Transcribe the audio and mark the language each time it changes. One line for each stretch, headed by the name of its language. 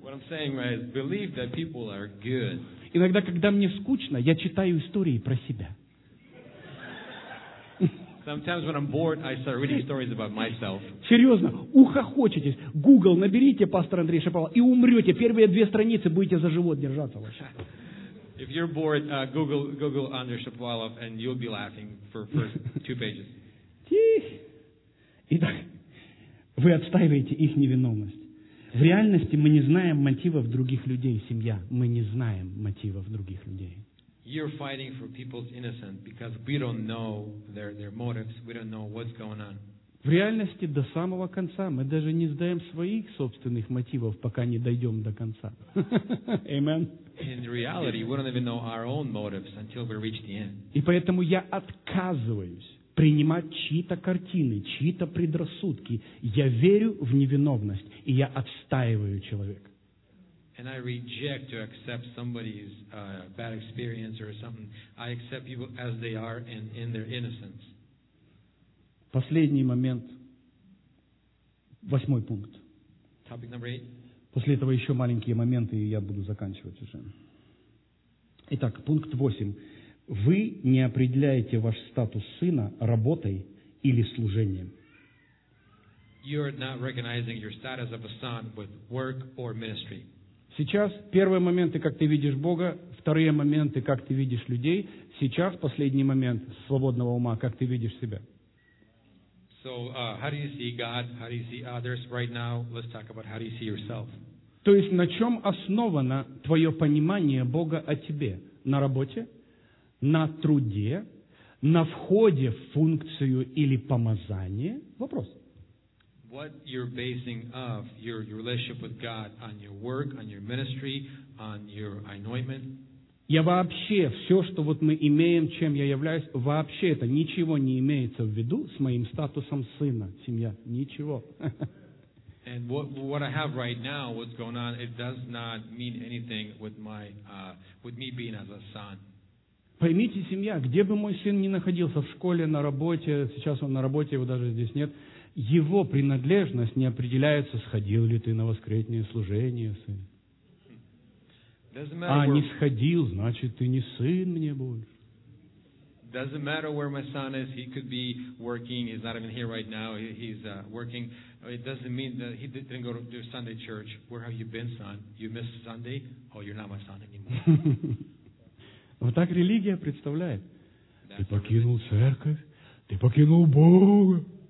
English: Saying, right, believe that people are good.
Russian: Иногда, когда мне скучно, я читаю истории про себя.
English: Sometimes when I'm bored, I start reading stories about myself.
Russian: Серьезно, ухохочетесь. Google, наберите пастор Андрей Шаповалов и умрете. Первые две страницы будете за живот держаться вообще.
English: If you're bored, Google Andrei Shapovalov and you'll be laughing for first two pages.
Russian: Итак, вы отстаиваете их невиновность. В реальности мы не знаем мотивов других людей, семья. Мы не знаем мотивов других людей.
English: You're fighting for people's innocence because we don't know their motives. We don't know what's going on.
Russian: В реальности до самого конца мы даже не знаем своих собственных мотивов, пока не дойдем до конца.
English: Amen. In reality, we don't even know our own motives until we reach the end.
Russian: И поэтому я отказываюсь принимать чьи-то картины, чьи-то предрассудки. Я верю в невиновность, и я отстаиваю человека.
English: And I reject to accept somebody's bad experience or something. I accept people as they are and in their innocence.
Russian: Последний момент. Восьмой пункт.
English: Topic number eight.
Russian: После этого еще маленькие моменты, и я буду заканчивать уже. Итак, пункт восемь. Вы не определяете ваш статус сына работой или служением.
English: You're not recognizing your status of a son with work or ministry.
Russian: Сейчас первые моменты, как ты видишь Бога, вторые моменты, как ты видишь людей, сейчас последний момент свободного ума, как ты видишь себя.
English: So, how do you see God? How do you see others right now? Let's talk about how do you see yourself.
Russian: То есть на чем основано твое понимание Бога о тебе? На работе? На труде, на входе в функцию или помазание? Вопрос.
English: What you're basing of your relationship with God on your work, on your ministry, on your anointment?
Russian: Я вообще, все, что вот мы имеем, чем я являюсь, вообще это ничего не имеется в виду с моим статусом сына, семья. Ничего.
English: And what I have right now, what's going on, it does not mean anything with my with me being as a son.
Russian: Поймите, семья, где бы мой сын ни находился, в школе, на работе, сейчас он на работе, его даже здесь нет, его принадлежность не определяется, сходил ли ты на воскресное служение, сын.
English: Doesn't matter
Russian: не сходил, значит, ты не сын мне больше.
English: Doesn't matter where my son is. He could be working. He's not even here right now. He's working. It doesn't mean that he didn't go to do Sunday church. Where have you been, son? You missed Sunday? Oh, you're not my son anymore.
Russian: Вот так религия представляет. Ты покинул церковь, ты покинул Бога.